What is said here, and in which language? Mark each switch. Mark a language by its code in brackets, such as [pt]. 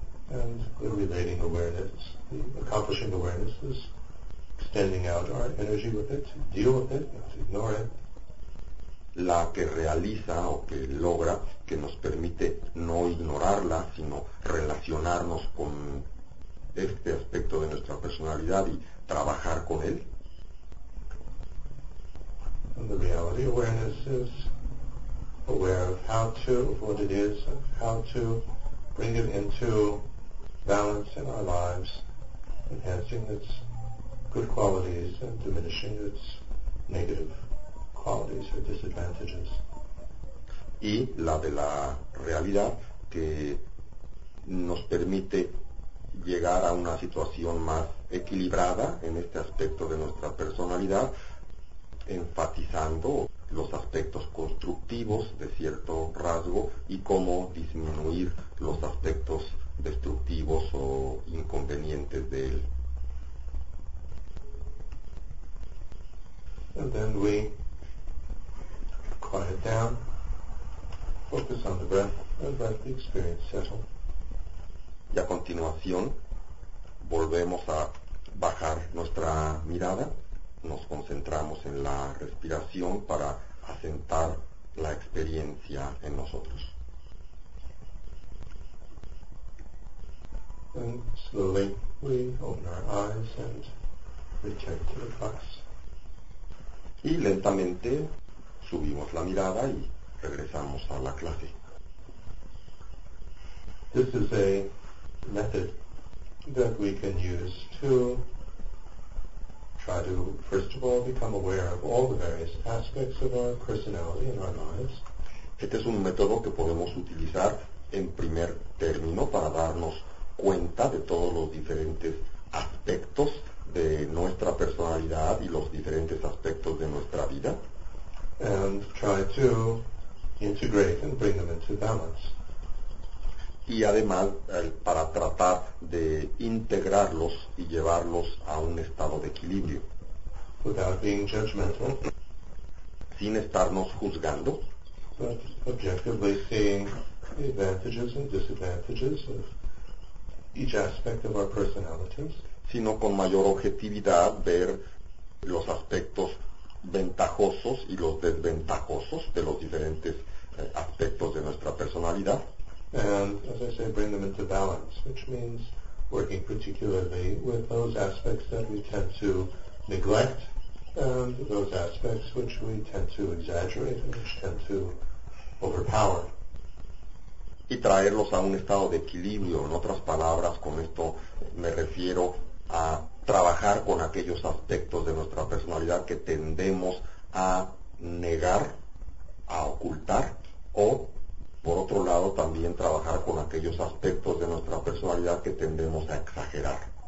[en] And relating awareness, accomplishing awareness is extending out our energy with it, deal with it, not ignore it. [es] La que realiza o que logra, que nos permite no ignorarla, sino relacionarnos con este aspecto de nuestra personalidad y trabajar con él. [en] And the reality awareness is aware of how to, of what it is, of how to bring it into balance in our lives, enhancing its good qualities and diminishing its negative qualities or disadvantages. [es] Y la de la realidad que nos permite llegar a una situación más equilibrada en este aspecto de nuestra personalidad, enfatizando los aspectos constructivos de cierto rasgo y cómo disminuir los aspectos destructivos o inconvenientes de él. [en] And then we quiet down, focus on the breath, and let the experience settle. [es] Y a continuación volvemos a bajar nuestra mirada, nos concentramos en la respiración para asentar la experiencia en nosotros. [en] And slowly we open our eyes and return to the class. [es] Y lentamente subimos la mirada y regresamos a la clase. [en] This is a method that we can use to try to, first of all, become aware of all the various aspects of our personality and our lives. [es] Este es un método que podemos utilizar en primer término para darnos cuenta de todos los diferentes aspectos de nuestra personalidad y los diferentes aspectos de nuestra vida. [en] And try to integrate and bring them into balance. [es] Y además, para tratar de integrarlos y llevarlos a un estado de equilibrio. [en] Without being judgmental. [es] Sin estarnos juzgando. [en] But objectively seeing the advantages and disadvantages of each aspect of our personalities. [es] Sino con mayor objetividad ver los aspectos ventajosos y los desventajosos de los diferentes aspectos de nuestra personalidad. [en] And, as I say, bring them into balance, which means working particularly with those aspects that we tend to neglect and those aspects which we tend to exaggerate and which tend to overpower. [es] Y traerlos a un estado de equilibrio. En otras palabras, con esto me refiero a trabajar con aquellos aspectos de nuestra personalidad que tendemos a negar, a ocultar, o por otro lado también trabajar con aquellos aspectos de nuestra personalidad que tendemos a exagerar.